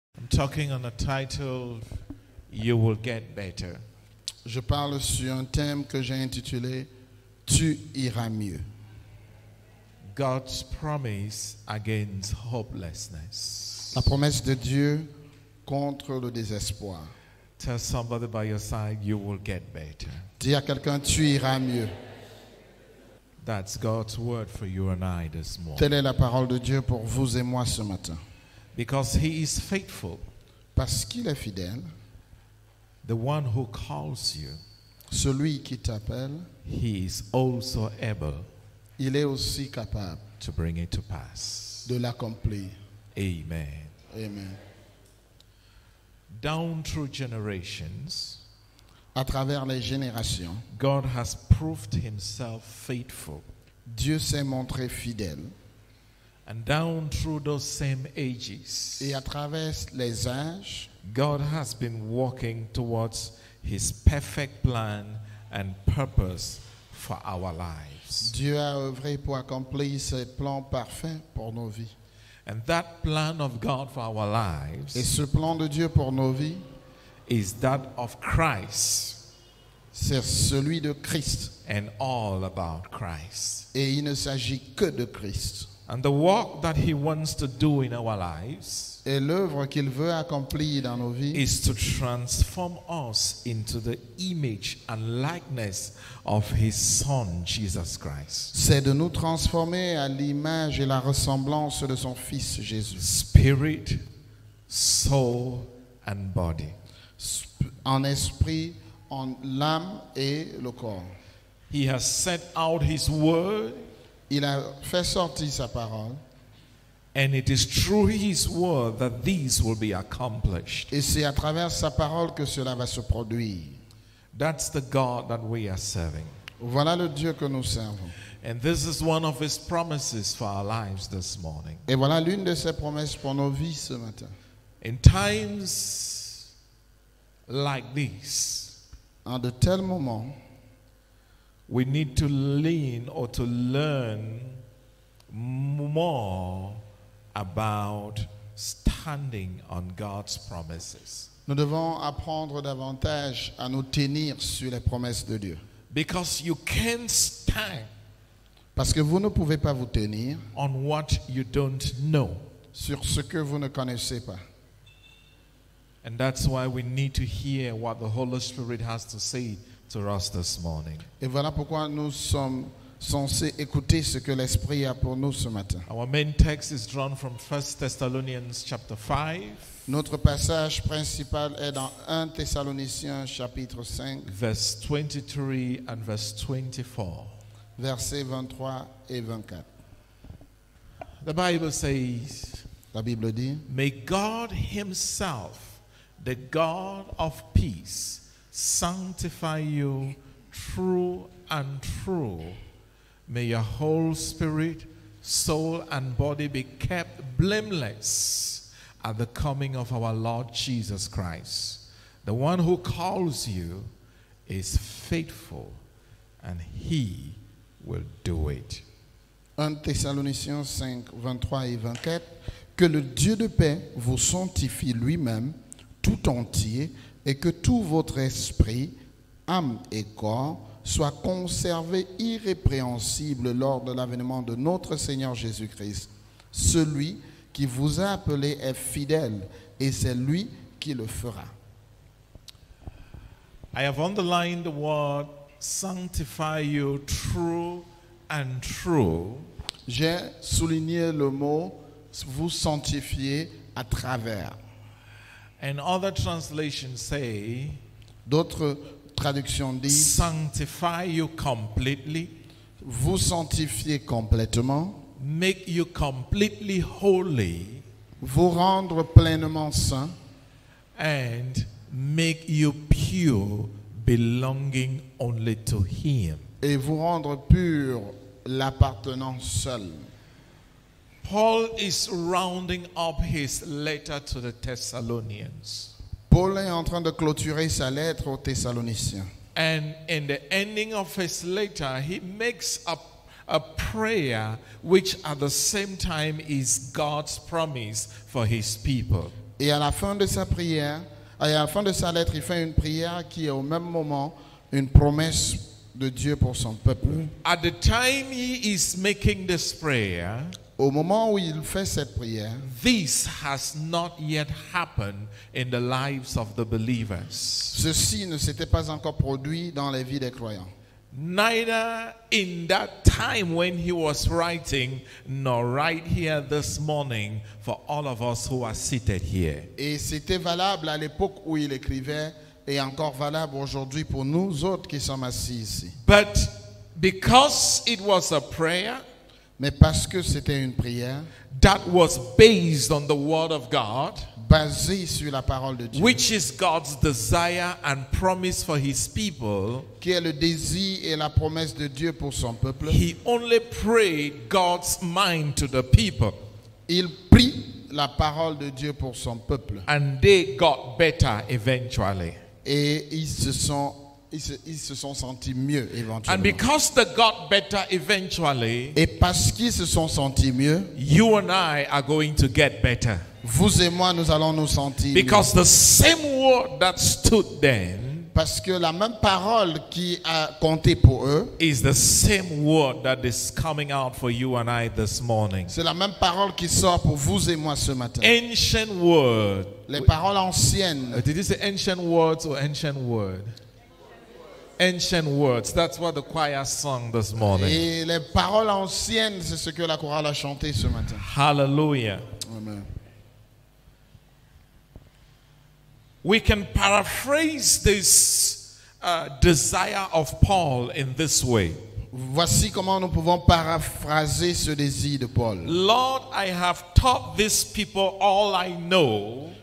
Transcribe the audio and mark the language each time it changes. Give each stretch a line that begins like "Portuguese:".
English: Talking on a title, you will get better.
French: Je parle sur un thème que j'ai intitulé Tu iras mieux.
English: God's promise against hopelessness.
French: La promesse de Dieu contre le désespoir.
English: Tell somebody by your side, you will get better.
French: Dis à quelqu'un, tu iras mieux.
English: That's God's word for you and I this morning.
French: Telle est la parole de Dieu pour vous et moi ce matin.
English: Because he is faithful,
French: parce qu'il est fidèle,
English: the one who calls you,
French: celui qui t'appelle,
English: he is also able,
French: il est aussi capable,
English: to bring it to pass,
French: de l'accomplir.
English: Amen.
French: Amen.
English: Down through generations,
French: à travers les générations,
English: God has proved himself faithful.
French: Dieu s'est montré fidèle.
English: And down through those same ages,
French: et à travers les âges,
English: God has been walking towards his perfect plan and purpose for our lives.
French: Dieu a œuvré pour accomplir ses plans parfaits pour nos vies.
English: And that plan of God for our lives,
French: et ce plan de Dieu pour nos vies,
English: is that of Christ.
French: C'est celui de Christ.
English: And all about Christ.
French: Et il ne s'agit que de Christ.
English: And the work that he wants to do in our lives,
French: et l'œuvre qu'il veut accomplir dans nos vies,
English: is to transform us into the image and likeness of his son Jesus Christ.
French: C'est de nous transformer à l'image et la ressemblance de son fils Jésus.
English: Spirit, soul and body.
French: En esprit, en l'âme et le corps.
English: He has set out his word.
French: Il a fait sortir sa parole.
English: And it is through his word that these will be accomplished.
French: Et c'est à travers sa parole que cela va se produire.
English: That's the God that we are serving.
French: Voilà le Dieu que nous servons.
English: And this is one of his promises for our lives this morning.
French: Et voilà l'une de ses promesses pour nos vies ce matin.
English: In times like these,
French: en de tels moments,
English: we need to lean or to learn more about standing on God's promises.
French: Nous devons apprendre davantage à nous tenir sur les promesses de Dieu.
English: Because you can't stand,
French: parce que vous ne pouvez pas vous tenir,
English: on what you don't know,
French: sur ce que vous ne connaissez pas.
English: And that's why we need to hear what the Holy Spirit has to say to us this morning.
French: Et voilà pourquoi nous sommes censés écouter ce que l'Esprit a pour nous ce matin.
English: Our main text is drawn from 1 Thessalonians chapter 5.
French: Notre passage principal est dans 1 Thessaloniciens chapitre 5.
English: Verse 23 and verse 24.
French: Versets 23 et 24.
English: The Bible says,
French: la Bible dit,
English: may God himself, the God of peace, sanctify you true and true. May your whole spirit, soul and body be kept blameless at the coming of our Lord Jesus Christ. The one who calls you is faithful and he will do it.
French: 1 Thessaloniciens 5, 23 et 24. Que le Dieu de paix vous sanctifie lui-même tout entier et que tout votre esprit, âme et corps soient conservés irrépréhensibles lors de l'avènement de notre Seigneur Jésus-Christ. Celui qui vous a appelé est fidèle et c'est lui qui le fera.
English: I have underlined the word sanctify you true and true.
French: J'ai souligné le mot vous sanctifier à travers.
English: And other translations say,
French: d'autres traductions disent
English: sanctify you completely,
French: vous sanctifier complètement,
English: make you completely holy,
French: vous rendre pleinement saint,
English: and make you pure, belonging only to him,
French: et vous rendre pur l'appartenant seul.
English: Paul is rounding up his letter to the Thessalonians.
French: Paul est en train de clôturer sa lettre aux Thessaloniciens.
English: And in the ending of his letter, he makes a prayer which at the same time is God's promise for his people.
French: Et à la fin de sa prière, à la fin de sa lettre, il fait une prière qui est au même moment une promesse de Dieu pour son peuple.
English: At the time he is making this prayer,
French: au moment où il fait cette prière,
English: this has not yet happened in the lives of the believers.
French: Ceci ne s'était pas encore produit dans les vies des croyants.
English: Neither in that time when he was writing, nor right here this morning for all of us who are seated here.
French: Et c'était valable à l'époque où il écrivait et encore valable aujourd'hui pour nous autres qui sommes assis ici.
English: But because it was a prayer,
French: mais parce que c'était une prière
English: that was based on the word of God,
French: basée sur la parole de Dieu,
English: which is God's desire and promise for his people,
French: qui est le désir et la promesse de Dieu pour son peuple,
English: he only prayed God's mind to the people.
French: Il prie la parole de Dieu pour son peuple.
English: And they got better eventually.
French: Et ils se sont sentis mieux éventuellement.
English: And because they got better eventually,
French: et parce qu'ils se sont sentis mieux,
English: you and I are going to get better.
French: Vous et moi, nous allons nous sentir
English: because
French: mieux.
English: The same word that stood then,
French: parce que la même parole qui a compté pour eux,
English: is the same word that is coming out for you and I this morning.
French: C'est la même parole qui sort pour vous et moi ce matin.
English: Ancient word.
French: Les paroles anciennes.
English: Did you say ancient words or ancient word? Ancient words. That's what the choir sung this morning.
French: Et les paroles anciennes, c'est ce que la chorale a chanté ce matin.
English: Hallelujah.
French: Amen.
English: We can paraphrase this desire of Paul in this way.
French: Voici comment nous pouvons paraphraser ce désir de Paul.
English: Lord, I have taught these people all I know.